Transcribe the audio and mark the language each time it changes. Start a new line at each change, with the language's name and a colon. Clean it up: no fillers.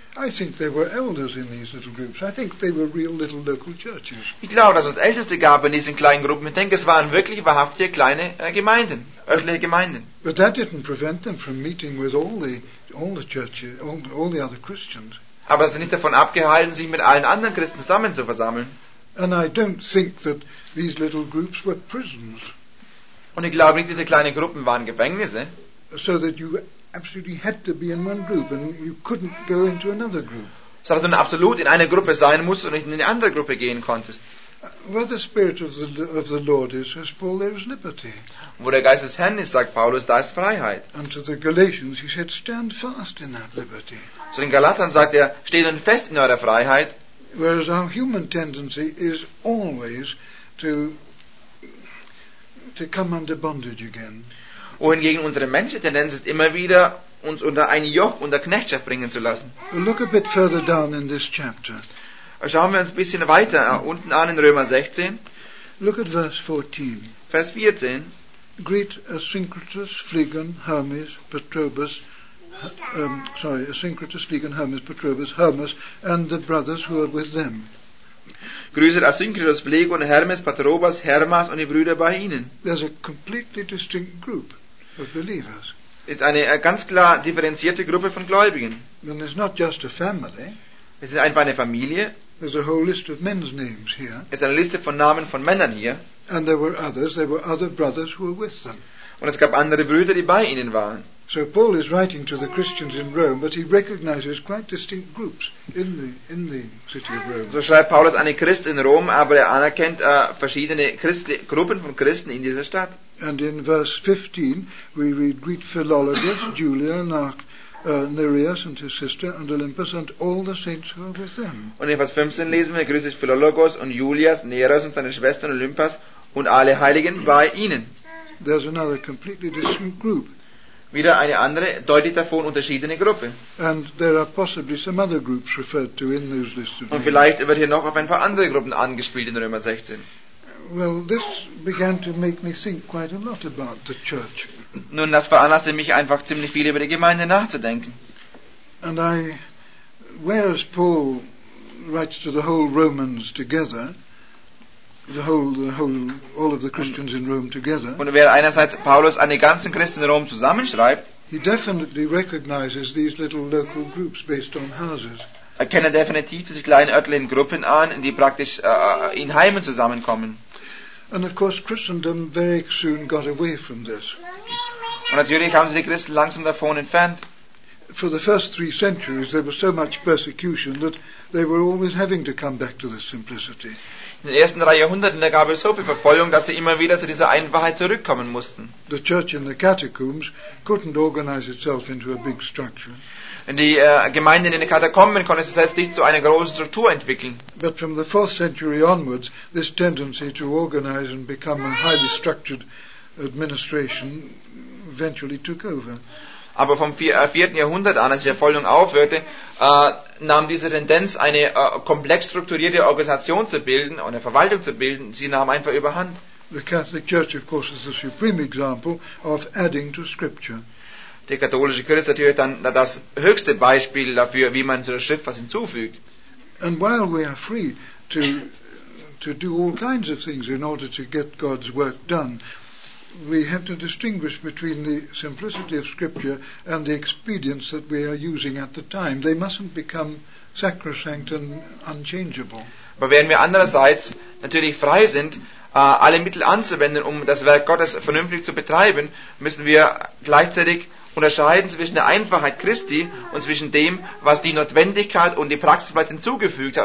English: I think there were elders in these little groups. I think they were real little local churches.
German: Ich glaube, dass es Älteste gab in diesen kleinen Gruppen. Ich denke, es waren wirklich wahrhaftige kleine Gemeinden, örtliche Gemeinden.
English: But that didn't prevent them from meeting with all the churches, all the other Christians.
German: Aber sie sind nicht davon abgehalten, sich mit allen anderen Christen zusammen zu versammeln.
English: And I don't think that these little groups were prisons.
German: Und ich glaube nicht, diese kleinen Gruppen waren Gefängnisse.
English: So that you absolutely had to be in one group and you couldn't go into another group.
German: So dass du absolut in einer Gruppe sein musst und nicht in eine andere Gruppe gehen konntest.
English: Where the spirit of the Lord is, says Paul, there is liberty.
German: Wo der Geist des Herrn ist, sagt Paulus, da ist Freiheit.
English: And to the Galatians, he said, stand fast in that liberty.
German: Zu den Galatern sagt er, steht nun fest in eurer Freiheit.
English: Whereas our human tendency is always to come under bondage again.
German: Wohingegen unsere menschliche Tendenz ist immer wieder, uns unter ein Joch, unter Knechtschaft bringen zu lassen.
English: Look a bit further down in this chapter.
German: Schauen wir uns ein bisschen weiter unten an in Römer 16.
English: Look at verse 14.
German: Vers 14.
English: Greet Asyncritus, Phlegon, Hermes, Patrobus, Asyncritus, Phlegon, Hermes, Patrobus, Hermas, and the brothers who are with them.
German: Grüßet Asyncritus, Phlegon, Hermes, Patrobas, Hermas und die Brüder bei ihnen.
English: There's a completely distinct group of believers.
German: Ist eine ganz klar differenzierte Gruppe von Gläubigen.
English: And it's not just a family.
German: Es ist einfach eine Familie.
English: There's a whole list of men's names here.
German: Es ist eine Liste von Namen von Männern hier.
English: And there were other brothers who were with them.
German: Und es gab andere Brüder, die bei ihnen waren.
English: So Paul is writing to the Christians in Rome, but he recognizes quite distinct groups in the city of Rome.
German: So schreibt Paulus an die Christen in Rom, aber er anerkennt verschiedene Gruppen von Christen in dieser Stadt.
English: And in verse 15 we read, greet Philologus, Julian, Nereus and his sister and Olympus and all the saints who are with them.
German: Und in Vers 15 lesen wir, grüßt Philologus und Julius, Nereus und seine Schwestern Olympus und alle Heiligen bei ihnen.
English: There's another completely distinct group.
German: Wieder eine andere, deutlich davon unterschiedene Gruppe.
English: And there are possibly some other groups referred to in those lists.
German: Und vielleicht wird hier noch auf ein paar andere Gruppen angespielt in Römer 16.
English: Well, this began to make me think quite a lot about the church.
German: Nun, das veranlasste mich einfach ziemlich viel über die Gemeinde nachzudenken.
English: And I, whereas Paul writes to the whole Romans together, all of the Christians in Rome together.
German: Und wer einerseits Paulus an die ganzen Christen in Rom zusammenschreibt,
English: he definitely recognizes these little local groups based on houses.
German: Erkennt definitiv diese kleinen örtlichen Gruppen an, die praktisch in Heimen zusammenkommen.
English: And of course, Christendom very soon got away from this.
German: Und natürlich haben sie die Christen langsam davon entfernt.
English: for the first three centuries there was so much persecution that they were always having to come back to this simplicity.
German: In den ersten drei Jahrhunderten da gab es so viel Verfolgung, dass sie immer wieder zu dieser Einfachheit zurückkommen mussten.
English: The church in the catacombs couldn't organize itself into a big structure.
German: Die Gemeinde in den Katakomben konnte sich selbst nicht zu einer großen Struktur entwickeln.
English: But from the 4th century onwards this tendency to organize and become a highly structured administration eventually took over.
German: Aber vom 4. Jahrhundert an, als die Verfolgung aufhörte, nahm diese Tendenz, eine komplex strukturierte Organisation zu bilden und eine Verwaltung zu bilden, sie nahm einfach überhand.
English: The Catholic Church, of course, is the supreme example of adding to scripture.
German: Die katholische Kirche ist natürlich dann das höchste Beispiel dafür, wie man zu der Schrift was hinzufügt.
English: And while we are free to do all kinds of things in order to get God's work done, we have to distinguish between the simplicity of scripture and the expedients that we are using at the time. They mustn't become sacrosanct and unchangeable.
German: Aber während wir andererseits natürlich frei sind, alle Mittel anzuwenden, um das Werk Gottes vernünftig zu betreiben, müssen wir gleichzeitig unterscheiden zwischen der Einfachheit Christi und zwischen dem, was die Notwendigkeit und die Praxis weit hinzugefügt hat.